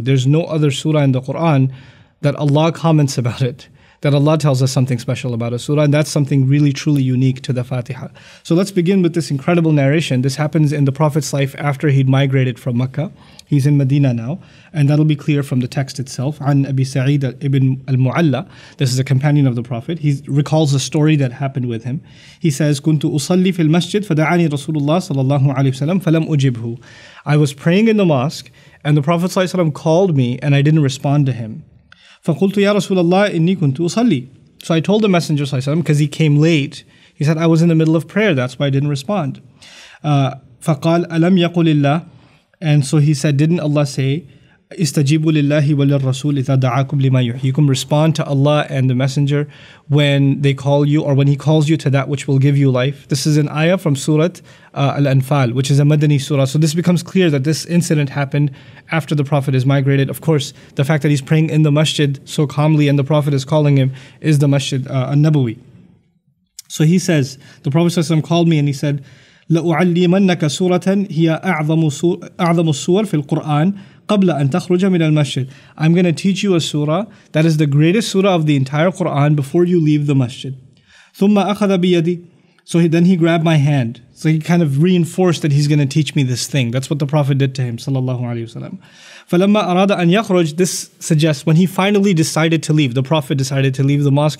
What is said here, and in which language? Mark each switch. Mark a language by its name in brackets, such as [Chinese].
[English] There's no other surah in the Quran that Allah comments about it, that Allah tells us something special about a surah, and that's something really truly unique to the Fatiha. So let's begin with this incredible narration. This happens in the Prophet's life after he'd migrated from Mecca. He's in Medina now, and that'll be clear from the text itself. An Abi Sa'id ibn al-Mu'alla, this is a companion of the Prophet. He recalls a story that happened with him. He says, [Arabic] كُنْتُ أُصَلِّي فِي الْمَسْجِدِ فَدَعَانِي رَسُولُ اللَّهِ صَلَى اللَّهُ عَلَيْهِ وَسَلَمْ فَلَمْ أُجِبْهُ. [English] I was praying in the mosque, and the Prophet ﷺ called me, and I didn't respond to him. [Arabic] فَقُلْتُ يَا رَسُولَ اللَّهِ إِنِّي كُنْتُ أُصَلِّي. [English] So I told the Messenger ﷺ, because he came late, he said, I was in the middle of prayer, that's why I didn't respond. [Arabic] فَقَالَ أَلَمْ يَقُلِ اللَّهِ. [English] And so he said, didn't Allah say, [Arabic] استجيبوا لله وللرسول إذا دعاكم لما يحييكم. [English] Respond to Allah and the Messenger when they call you, or when he calls you to that which will give you life. This is an ayah from Surah Al-Anfal, which is a Madani surah. So this becomes clear that this incident happened after the Prophet is migrated. Of course, the fact that he's praying in the masjid so calmly and the Prophet is calling him is the masjid al-Nabawi. So he says, the Prophet ﷺ called me and he said, [Arabic] لَأُعَلِّمَنَّكَ سُورَةً هِيَ أَعْظَمُ السُّورَ فِي الْقُرْآنِ قَبْلَ أَن تَخْرُجَ مِنَ الْمَسْجِدِ. [English] I'm going to teach you a surah that is the greatest surah of the entire Quran before you leave the masjid. [Arabic] ثُمَّ أَخَذَ بِيَدِي. [English] So then he grabbed my hand. So he kind of reinforced that he's going to teach me this thing. That's what the Prophet did to him, sallallahu alayhi wa sallam. [Arabic] فَلَمَّا أَرَادَ أَن يَخْرُجَ. [English] This suggests when he finally decided to leave, the Prophet decided to leave the mosque.